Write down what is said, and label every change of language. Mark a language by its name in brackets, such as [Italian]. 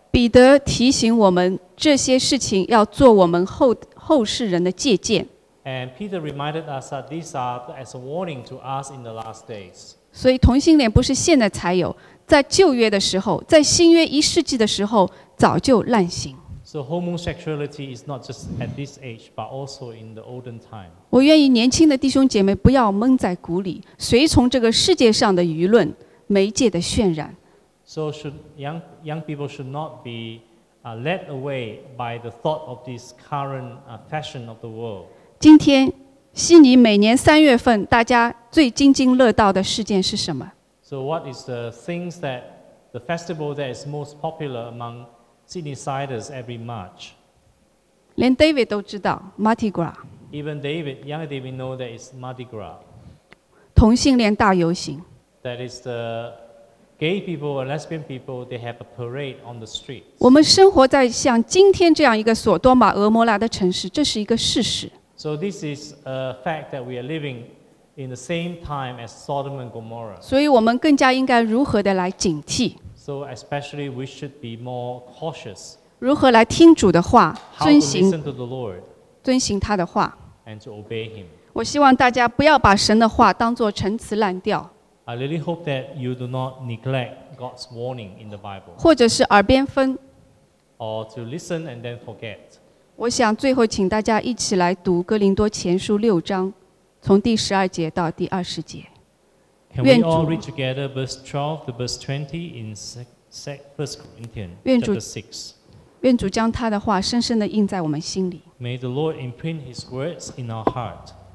[Chinese] 彼得提醒我们，这些事情要做我们后世人的借鉴。 [English] And Peter reminded us that these are as a warning to us in the last days. [Chinese] 所以同性恋不是现在才有，在旧约的时候，在新约一世纪的时候，早就滥行。 [English] So homosexuality is not just at this age, but also in the olden time. [Chinese] 我愿意年轻的弟兄姐妹不要蒙在鼓里，随从这个世界上的舆论、媒介的渲染。 [English] So should young people should not be led away by the thought of this current fashion of the world. [Chinese] 今天悉尼每年三月份大家最津津乐道的事件是什么？ [English] So what is the things that the festival that is most popular among Sydneysiders every March? [Chinese] 连 David 都知道 Mardi Gras. [English] Even David, young David know that it's Mardi Gras. [Chinese] 同性恋大游行。 [English] That is the gay people or lesbian people, they have a parade on the street. [Chinese] 我们生活在像今天这样一个索多玛俄摩拉的城市，这是一个事实。 [English] So this is a fact that we are living in the same time as Sodom and Gomorrah. [Chinese] 所以我们更加应该如何的来警惕？ [English] So especially we should be more cautious. [Chinese] 如何来听主的话？ [English] How to listen to the Lord. [Chinese] 遵行他的话。 [English] And to obey him. [Chinese] 我希望大家不要把神的话当作陈词滥调。 [English] I really hope that you do not neglect God's warning in the Bible. [Chinese] 或者是耳边风。 [English] Or to listen and then forget. [Chinese] 我想最后请大家一起来读《哥林多前书》六章，从第十二节到第二十节。 [English] Can we all read together verse 12 to verse 20 in First Corinthians chapter 6? [Chinese] 愿主将他的话深深地印在我们心里。 [English] May the Lord imprint His words in our heart.